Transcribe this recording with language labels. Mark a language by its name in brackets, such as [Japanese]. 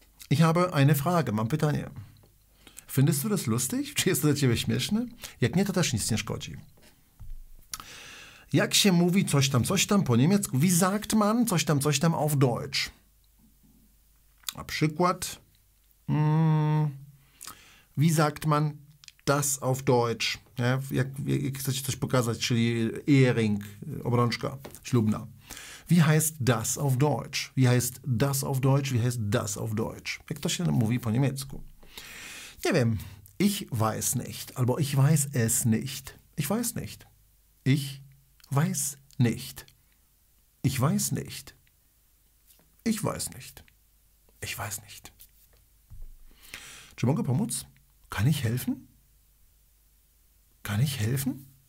[German] Ich habe eine Frage, [Polish] mam pytanie. [German] Findest du das lustig? [Polish] Czy jest to dla ciebie śmieszne? Jak nie, to też nic nie szkodzi. Jak się mówi coś tam po niemiecku? [German] Wie sagt man [Polish] coś tam [German] auf Deutsch? [Polish] Na przykład... [German] Wie sagt man das auf Deutsch? [Polish] Ja, jak chcecie coś pokazać, czyli Ehering, obrączka ślubna. [German] Wie heißt das auf Deutsch? Wie heißt das auf Deutsch? Wie heißt das auf Deutsch? [Polish] Jak to się mówi po niemiecku? Nie wiem. [German] Ich weiß nicht. [Polish] Albo [German] ich weiß es nicht. Ich weiß nicht. Ich weiß nicht. Ich weiß nicht. Ich weiß nicht. Ich weiß nicht. [Polish] Czy mogę pomóc? [German] Kann ich helfen? Kann ich helfen?